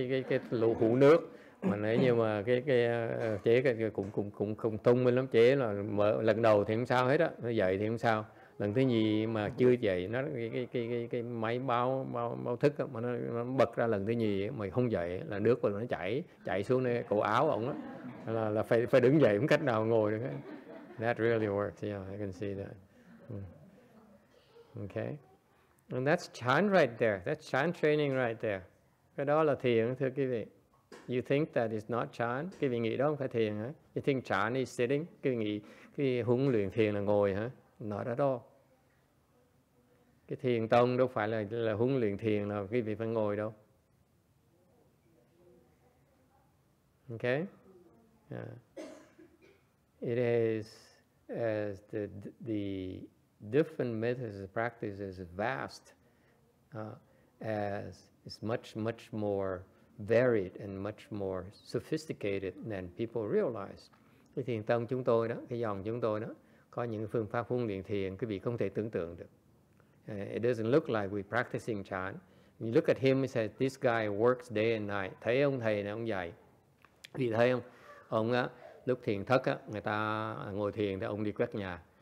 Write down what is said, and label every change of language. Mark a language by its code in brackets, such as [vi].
[vi] cái lỗ hũ nước mà nếu như mà cái chế cũng không tung lắm, chế là mở lần đầu thì không sao hết á, dậy thì không sao, lần thứ nhì mà chưa dậy nó cái máy báo thức đó, mà nó bật ra lần thứ nhì mà không dậy là nước nó chảy xuống cái cổ áo ổng á, là phải đứng dậy, không cách nào ngồi được. [en] That really works, yeah, I can see that. Okay, and that's chan right there, that's chan training right there. [vi] Cái đó là thiền, thưa quý vị. [en] You think that is not chan, [vi] quý vị nghĩ đó không phải thiền hả? [en] You think chan is sitting, [vi] quý vị nghĩ cái huấn luyện thiền là ngồi hả? [en] Not at all. [vi] Cái thiền tông đâu phải là huấn luyện thiền là quý vị phải ngồi đâu. [en] Okay. It is as the different methods of practice is vast, as it's much, much more varied and much more sophisticated than people realize. [vi] Cái thiền tông chúng tôi đó, cái dòng chúng tôi đó, có những phương pháp huấn luyện thiền quý vị không thể tưởng tượng được. [en] It doesn't look like we're practicing chan. You look at him and say, this guy works day and night. [vi] Thấy ông thầy này, ông dạy. Vì thấy không? Ông á, lúc thiền thất á, người ta ngồi thiền thì ông đi quét nhà.